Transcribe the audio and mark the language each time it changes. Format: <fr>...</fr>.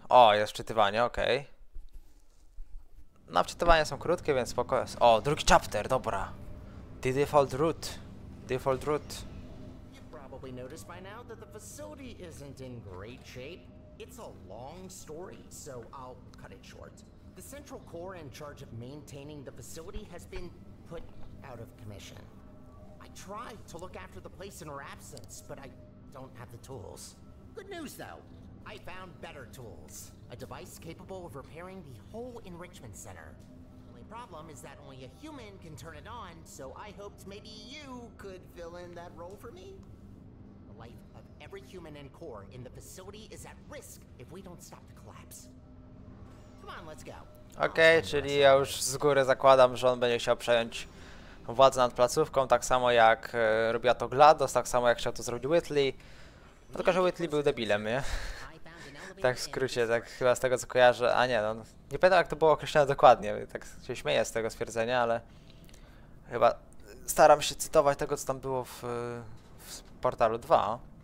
<pl>O, jest wczytywanie, okej. No, wczytywania są krótkie, więc spoko jest. O, drugi chapter, dobra.</pl> <en>The default route. Default route. You probably noticed by now that the facility isn't in great shape. It's a long story, so I'll cut it short. The central core in charge of maintaining the facility has been put out of commission. I tried to look after the place in her absence, but I don't have the tools. Good news though, I found better tools. A device capable of repairing the whole enrichment center. Only problem is that only a human can turn it on, so I hoped maybe you could fill in that role for me? The life of every human and core in the facility is at risk if we don't stop the collapse. Come on, let's go.</en> <pl>Okay, czyli ja już z góry zakładam, że on będzie chciał przejąć władzę nad placówką, tak samo jak robiła to GLaDOS, tak samo jak chciał to zrobić Whitley. No tylko, że Whitley był debilem, nie? Tak w skrócie, tak chyba z tego co kojarzę. A nie, no nie pamiętam jak to było określone dokładnie. Tak się śmieję z tego stwierdzenia, ale chyba staram się cytować tego co tam było w portalu 2.</pl>